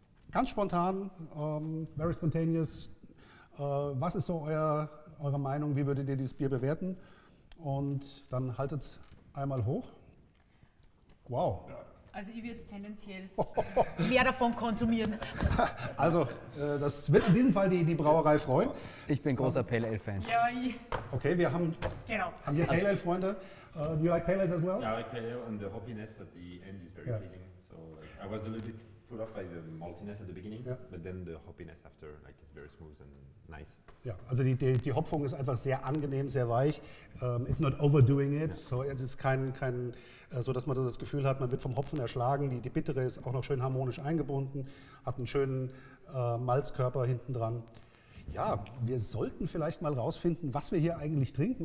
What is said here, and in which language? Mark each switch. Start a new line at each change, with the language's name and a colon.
German: Ganz spontan,
English: very spontaneous.
German: Was ist so eure Meinung? Wie würdet ihr dieses Bier bewerten? Und dann haltet es einmal hoch. Wow. Also ich würde tendenziell mehr davon konsumieren. Also das wird in diesem Fall die Brauerei freuen. Ich bin großer Pale Ale Fan. Ja, okay, wir haben, genau. Haben wir Pale Ale Freunde.
English: Do you like Pale Ale as well? Yeah, I like Pale Ale and the hoppiness at the end is very pleasing. So like, I was a little bit put off by the maltiness at the beginning, but then the hoppiness after like is very smooth and nice.
German: Ja, also die Hopfung ist einfach sehr angenehm, sehr weich.
English: It's not overdoing it,
German: so es ist kein so dass man das Gefühl hat, man wird vom Hopfen erschlagen. Die Bittere ist auch noch schön harmonisch eingebunden, hat einen schönen Malzkörper hinten dran. Ja, wir sollten vielleicht mal rausfinden, was wir hier eigentlich trinken.